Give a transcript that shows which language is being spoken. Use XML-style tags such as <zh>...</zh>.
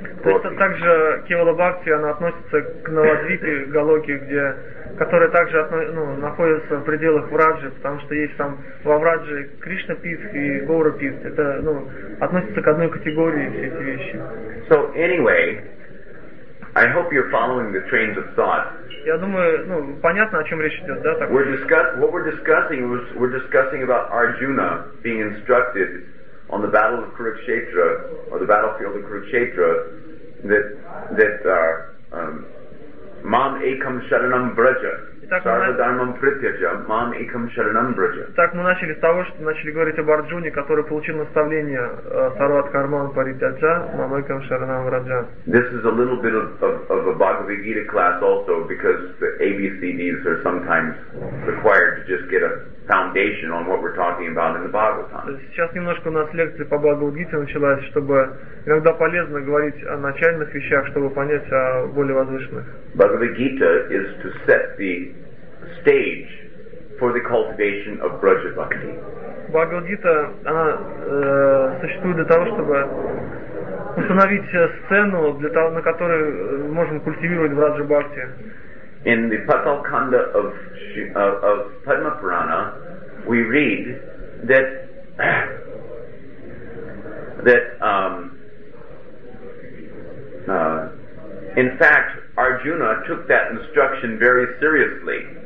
<ru>То есть также кевала бхакти она относится к Навадвипе Галоке, где которая также находится в пределах Враджи, потому что есть там во Враджи Кришна пит и Гаура пит. Это относится к одной категории все эти вещи.</ru> <en>So anyway, I hope you're following the trains of thought.</en> <ru>Я думаю, ну, понятно, о чем речь идет, да?</ru> <en>We're discussing about Arjuna being instructed on the battle of Kurukshetra or the battlefield of Kurukshetra that</en> <sa>mam ekam sharanam braja.</sa> <ru>Так мы начали с того, что начали говорить об Арджуне, который получил наставление</ru> <sa>Сарват Карман Паритяджа, Мамайкам Шаранам Раджа.</sa> <en>This is a little bit of a Bhagavad Gita class also, because the ABCDs are sometimes required to just get a foundation on what we're talking about in the Bhagavatam.</en> <ru>Сейчас немножко у нас лекция по Бхагавад Гите началась, чтобы иногда полезно говорить о начальных вещах, чтобы понять о более возвышенных.</ru> <en>Bhagavad Gita is to set the stage for the cultivation of Braja Bhakti.</en> <ru>Bhagavad Gita, она существует для того, чтобы установить сцену, для того, на которой можем культивировать Браджа Бхакти.</ru> <en>In the Patalkanda of Padma Purana, we read that in fact, Arjuna took that instruction very seriously.</en>